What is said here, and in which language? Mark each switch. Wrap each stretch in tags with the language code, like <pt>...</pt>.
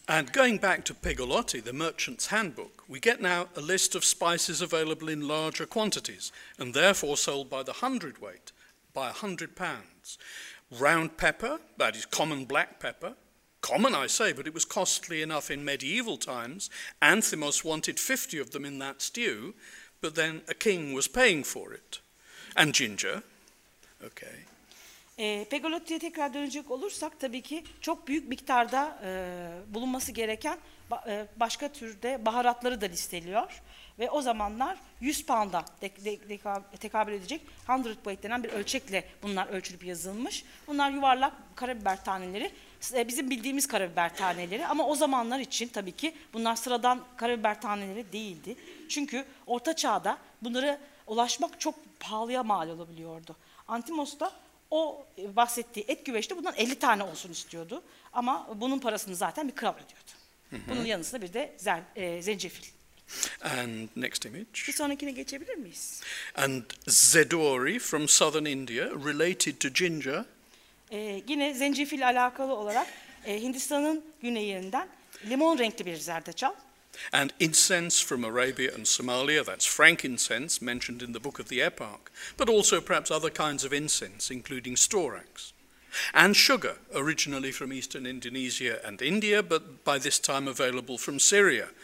<en>And going back to Pegolotti, the merchant's handbook, we get now a list of spices available in larger quantities and therefore sold by the hundredweight, by 100 pounds. Round pepper, that is common black pepper, common I say, but it was costly enough in medieval times. Anthimos wanted 50 of them in that stew, but then a king was paying for it. And ginger, okay.</en> <tr>Pegolotti'ye tekrar dönecek olursak tabii ki çok büyük miktarda bulunması gereken başka türde baharatları da listeliyor. Ve o zamanlar 100 pound'a tekabül edecek 100 weight denen bir ölçekle bunlar ölçülüp yazılmış. Bunlar yuvarlak karabiber taneleri, bizim bildiğimiz karabiber taneleri ama o zamanlar için tabii ki bunlar sıradan karabiber taneleri değildi. Çünkü orta çağda bunlara ulaşmak çok pahalıya mal olabiliyordu. Antimos da o bahsettiği et güveçte bundan 50 tane olsun istiyordu. Ama bunun parasını zaten bir kral ödüyordu. Bunun yanısında bir de zencefil.</tr> <en>And next image.</en> <tr>Bir sonrakine geçebilir miyiz?</tr> <en>And Zeduri from southern India, related to ginger.</en> <tr>Yine zencefil alakalı olarak Hindistan'ın güneyinden limon renkli bir zerdeçal.</tr> <en>And incense from Arabia and Somalia, that's frankincense mentioned in the Book of the Epoch, but also perhaps other kinds of incense, including storax. And sugar, originally from eastern Indonesia and India, but by this time available from Syria.</en>